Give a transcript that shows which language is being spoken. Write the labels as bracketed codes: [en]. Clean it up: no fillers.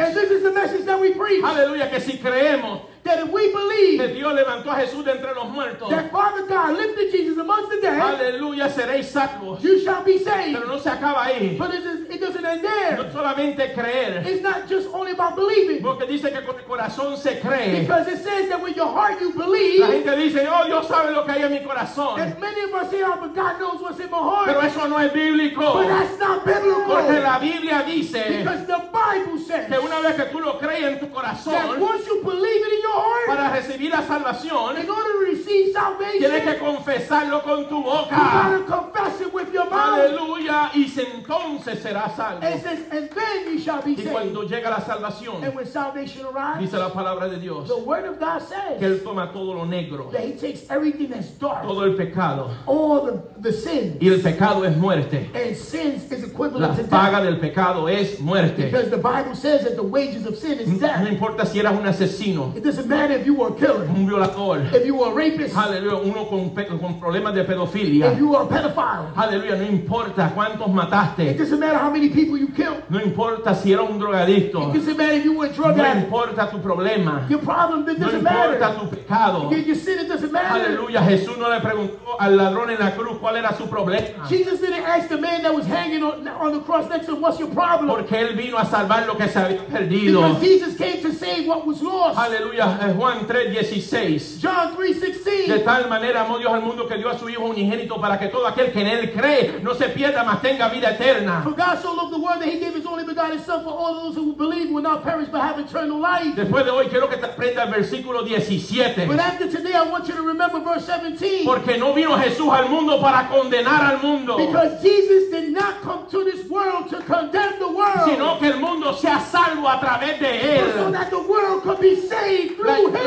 [en] And this is the message that we preach. [es] Hallelujah, que si creemos. [en] That if we believe [es] que Dios levantó a Jesús de entre los muertos, [en] that Father God lifted Jesus amongst the dead, [es] aleluya, seréis salvos. [en] You shall be saved. [es] Pero no se acaba ahí. [en] But it doesn't end there. [es] No solamente creer. [en] It's not just only about believing. [es] Porque dice que con el corazón se cree. [en] Because it says that with your heart you believe. [es] La gente dice, oh, Dios sabe lo que hay en mi corazón. [en] And many of us say, oh, but God knows what's in my heart. [es] Pero eso no es bíblico. [en] But that's not biblical. [es] Porque la Biblia dice, [en] because the Bible says, [es] que una vez que tú lo crees en tu corazón, [en] that once you believe it in your [es] para recibir la salvación, [en] in order to receive salvation, [es] tienes que confesarlo con tu boca. [en] You gotta confess it with your mouth. [es] Aleluya, y entonces serás salvo. [en] It says, and then you shall be [es] y [en] saved. [es] Cuando llega la salvación, [en] and when salvation arrives, [es] dice la palabra de Dios, [en] the word of God says, [es] que él toma todo lo negro, [en] that he takes everything that's dark, [es] todo el pecado, [en] all the sins, [es] y el pecado es muerte. [en] And sins is equivalent [es] la [en] to death. [es] La paga del pecado es muerte. [en] Because the Bible says that the wages of sin is death. [es] No importa si eras un asesino. [en] Man, if you were a killer, [es] un violador, [en] if you were a rapist, [es] aleluya, uno con problemas de pedofilia, [en] if you were a pedophile, [es] aleluya, no importa cuántos mataste, [en] it doesn't matter how many people you killed, [es] no importa si era un drogadicto, [en] it doesn't matter if you were a drug [es] no [en] addict, [es] no importa tu problema, [en] your problem, it doesn't matter, [es] no importa [en] matter. [es] Tu pecado, [en] your sin, it doesn't matter, [es] aleluya, Jesús no le preguntó al ladrón en la cruz cuál era su problema, [en] Jesus didn't ask the man that was hanging on the cross next to him, what's your problem, [es] porque él vino a salvar lo que se había perdido, [en] because Jesus came to save what was lost, [es] aleluya. Juan 3:16. [en] John 3:16. [es] De tal manera amó Dios al mundo que dio a su hijo unigénito para que todo aquel que en él cree no se pierda mas tenga vida eterna. [en] For God so loved the world that he gave his only begotten son for all those who believe will not perish but have eternal life. [es] Después de hoy quiero que te aprendas el versículo 17. [en] But after today I want you to remember verse 17. [es] Porque no vino Jesús al mundo para condenar al mundo. [en] Because Jesus did not come to this world to condemn the world. [es] Sino que el mundo mundo sea salvo a través de él. [en] So that the world could be saved through him.